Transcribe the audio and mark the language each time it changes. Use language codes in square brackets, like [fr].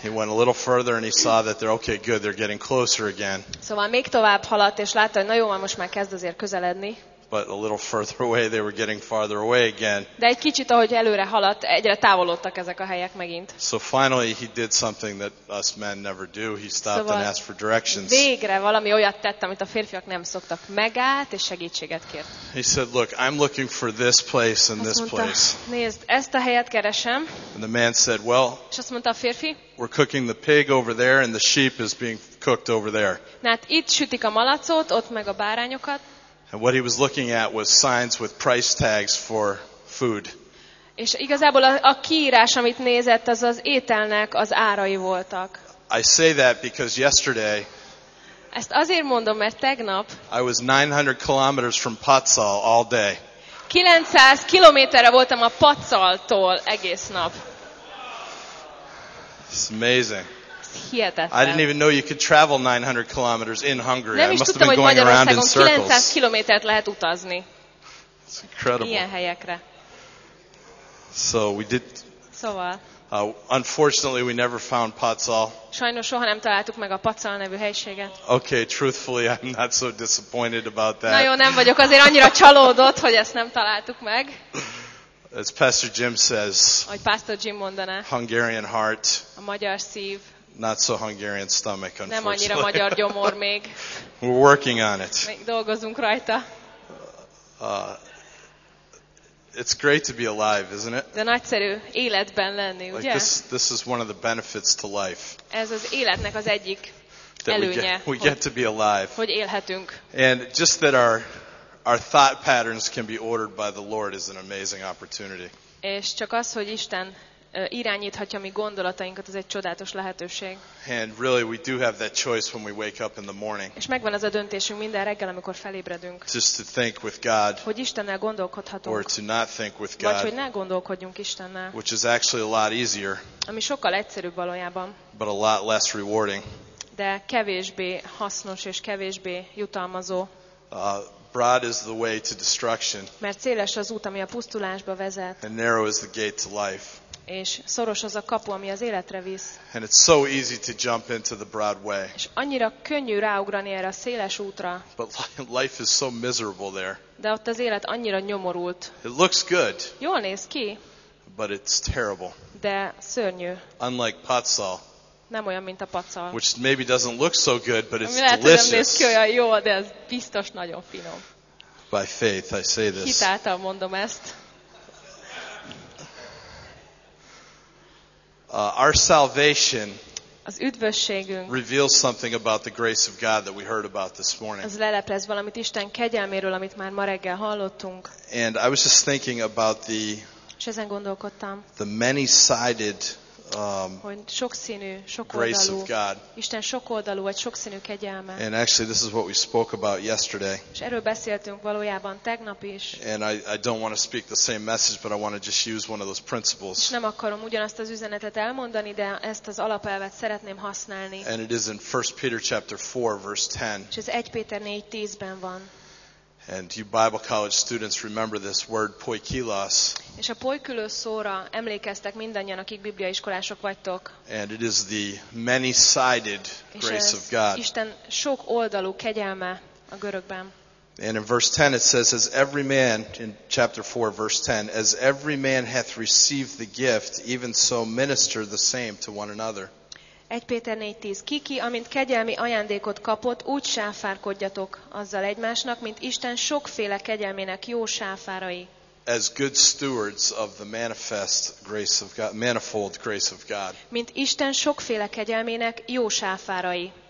[en] He went a little further and he saw that they're okay, good, they're getting closer again. [hu] Szóval még tovább haladt és látta, hogy na jó, most már kezd azért közeledni. [en] But a little further away, they were getting farther away again. [hu] De egy kicsit, ahogy előre haladt, egyre távolodtak ezek a helyek megint. [en] So finally, he did something that us men never do. He stopped and asked for directions. [hu] Végre valami olyat tett, amit a férfiak nem szoktak. Megállt és segítséget kért. [en] He said, "Look, I'm looking for this place and this place." [hu] Nézd, ezt a helyet keresem. [en] And the man said, "Well." [hu] És azt mondta a férfi. [en] We're cooking the pig over there, and the sheep is being cooked over there. [hu] Hát itt sütik a malacot, ott meg a bárányokat. [en] And what he was looking at was signs with price tags for food. [hu] És igazából a kiírás, amit nézett, az az ételnek az árai voltak. [en] I say that because yesterday. [hu] Ezt azért mondom, mert tegnap. [en] I was 900 kilometers from Pozsony all day. [hu] 900 kilométerre voltam a Pozsonytól egész nap. [en] It's amazing. [hu] Hihetetlen. [en] I didn't even know you could travel 900 kilometers in Hungary. [hu] Nem is tudtam, hogy Magyarországon [en] around in circles. [hu] 900 kilométert lehet utazni. [en] It's incredible. [hu] Ilyen helyekre. [en] So we did. [hu] Szóval. [en] Unfortunately, we never found Pozsony. [hu] Sajnos soha nem találtuk meg a Pozsony nevű helységet. [en] Okay, truthfully, I'm not so disappointed about that. [hu] Na jó, nem vagyok azért annyira csalódott, hogy ezt nem találtuk meg. [en] As Pastor Jim says. [hu] Ahogy Pastor Jim mondaná. [en] Hungarian heart. [hu] A magyar szív. [en] Not so Hungarian stomach, unfortunately. [hu] Nem annyira magyar gyomor még. [en] We're working on it. [hu] Még dolgozunk rajta. [en] It's great to be alive, isn't it? [hu] De nagyszerű életben lenni, ugye? [en] This is one of the benefits to life. [hu] Ez az életnek az egyik előnye. [en] We get to be alive. [hu] Hogy élhetünk. [en] And just that our thought patterns can be ordered by the Lord is an amazing opportunity. [hu] És csak az, hogy Isten irányíthatja mi gondolatainkat, az egy csodálatos lehetőség. [en] And really we do have that choice when we wake up in the morning. [hu] És megvan ez a döntésünk minden reggel, amikor felébredünk. [en] Just to think with God. [hu] Hogy Istennel gondolkodhatunk. [en] Or to not think with God. [hu] Vagy hogy ne gondolkodjunk Istennel. [en] Which is actually a lot easier. [hu] Ami sokkal egyszerűbb valójában. [en] But a lot less rewarding. [hu] De kevésbé hasznos és kevésbé jutalmazó. [en] Broad is the way to destruction. [hu] Mert széles az út, ami a pusztulásba vezet. [en] And narrow is the gate to life. [hu] És szoros az a kapu, ami az életre visz. [en] And it's so easy to jump into the broad way. [hu] És annyira könnyű ráugrani erre a széles útra. [en] But life is so miserable there. [hu] De ott az élet annyira nyomorult. [en] It looks good. [hu] Jól néz ki. [en] But it's terrible. [hu] De szörnyű. [en] Unlike Patsal. [hu] Nem olyan, mint a Patsal. [en] Which maybe doesn't look so good, but it's [hu] lehet, [en] delicious. [hu] Nem néz ki olyan jó, de ez biztos nagyon finom. [en] By faith I say this. [hu] Hitáltal mondom ezt. [en] Our salvation [hu] az üdvösségünk [en] reveals something about the grace of God that we heard about this morning. [hu] Az leleplez valamit Isten kegyelméről, amit már ma reggel hallottunk. [en] And I was just thinking about the [hu] és ezen gondolkodtam. [en] The many-sided [hu] hogy sokszínű, sokoldalú [en] grace of God. [hu] Isten sokoldalú vagy sokszínű kegyelme. [en] And actually this is what we spoke about yesterday. [hu] És erről beszéltünk valójában tegnap is. [en] And I don't want to speak the same message, but I want to just use one of those principles. [hu] És nem akarom ugyanazt az üzenetet elmondani, de ezt az alapelvet szeretném használni. [en] And it is in 1 Peter chapter 4 verse 10. [hu] És ez 1 Péter 4:10-ben van. [en] And you Bible college students remember this word poikilos. [hu] És a poikilos szóra emlékeztek mindannyian, akik bibliaiskolások vagytok. [en] And it is the many-sided grace of God. [hu] Isten sok oldalú kegyelme a görögben. [en] And in verse 10 it says, as every man, in chapter 4 verse 10, as every man hath received the gift, even so minister the same to one another. [hu] 1 Péter 4:10. Kiki, amint kegyelmi ajándékot kapott, úgy sáfárkodjatok azzal egymásnak, mint Isten sokféle kegyelmének jó sáfárai. [en] As good stewards of the manifest grace of God, manifold grace of God. [hu] Mint Isten sokféle kegyelmének jó sáfárai.